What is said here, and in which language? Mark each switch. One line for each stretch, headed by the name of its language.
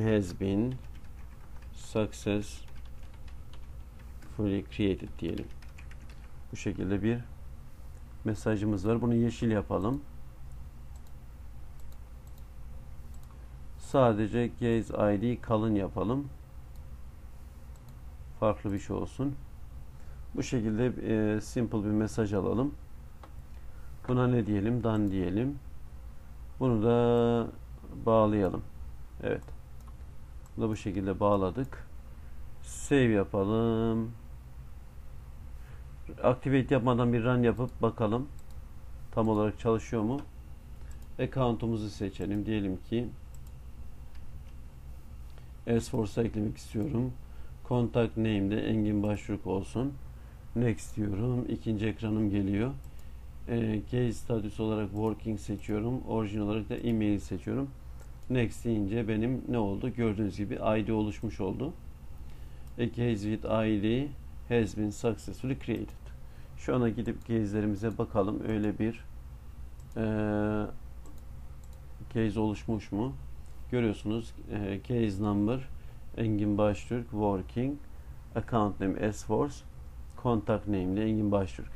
English: Has been successfully created
Turkish: diyelim. Bu şekilde bir mesajımız var. Bunu yeşil yapalım. Sadece case ID kalın yapalım. Farklı bir şey olsun. Bu şekilde simple bir mesaj alalım. Buna ne diyelim? Done diyelim. Bunu da bağlayalım. Evet. Bunu da bu şekilde bağladık. Save yapalım. Activate yapmadan bir run yapıp bakalım. Tam olarak çalışıyor mu? Account'umuzu seçelim. Diyelim ki S4'a eklemek istiyorum. Contact name de Engin Başruk olsun. Next diyorum. İkinci ekranım geliyor. Case status olarak working seçiyorum. Origin olarak da email seçiyorum. Next deyince benim ne oldu? Gördüğünüz gibi ID oluşmuş oldu.
English: A case with ID has been successfully created.
Turkish: Şu ana gidip case'lerimize bakalım. Öyle bir case oluşmuş mu? Görüyorsunuz case number Engin Baştürk working. Account name S-Force, contact name de Engin Başturk.